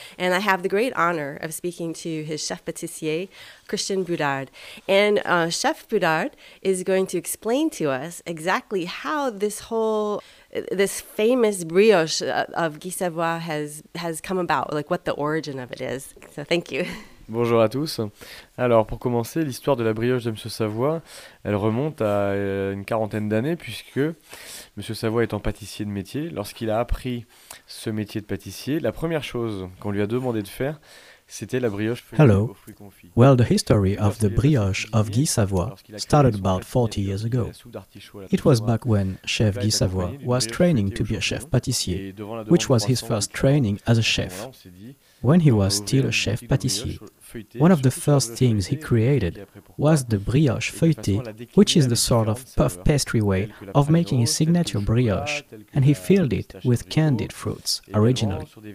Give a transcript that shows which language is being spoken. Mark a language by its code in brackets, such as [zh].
[en] And I have the great honor of speaking to his chef pâtissier, Christian Boudard. And Chef Boudard is going to explain to us exactly how this famous brioche of Guy Savoy has come about, like what the origin of it is. So thank you. [fr] Bonjour à tous. Alors pour commencer, l'histoire de la brioche de M. Savoy, elle remonte à une quarantaine d'années puisque M. Savoy étant pâtissier de métier, lorsqu'il a appris ce métier de pâtissier, la première chose qu'on lui a demandé de faire, c'était la brioche feuilletée aux fruits confits. [en] Well, the history of the brioche of Guy Savoy started about 40 years ago. It was back when Chef Guy Savoy was training to be a chef pâtissier, which was his first training as a chef. When he was still a chef pâtissier, one of the first things he created was the brioche feuilletée, which is the sort of puff pastry way of making his signature brioche, and he filled it with candied fruits originally.